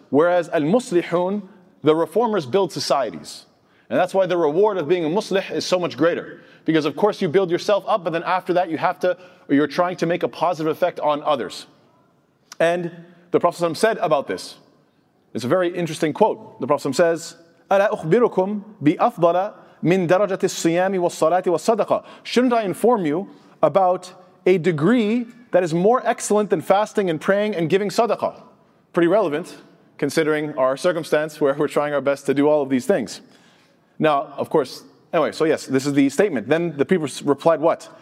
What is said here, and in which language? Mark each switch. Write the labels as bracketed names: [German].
[English] Whereas al-muslihun, the reformers build societies. And that's why the reward of being a muslih is so much greater. Because of course you build yourself up, but then after that you have to, or you're trying to make a positive effect on others. And the Prophet ﷺ said about this. It's a very interesting quote. The Prophet ﷺ says, [Arabic] أَلَا أُخْبِرُكُمْ بِأَفْضَلَ مِنْ دَرَجَةِ الصِّيَامِ وَالصَّلَاةِ وَالصَّدَقَةِ. [English] Shouldn't I inform you about a degree that is more excellent than fasting and praying and giving sadaqah? Pretty relevant, considering our circumstance where we're trying our best to do all of these things. Now, of course, anyway, so yes, this is the statement. Then the people replied, what?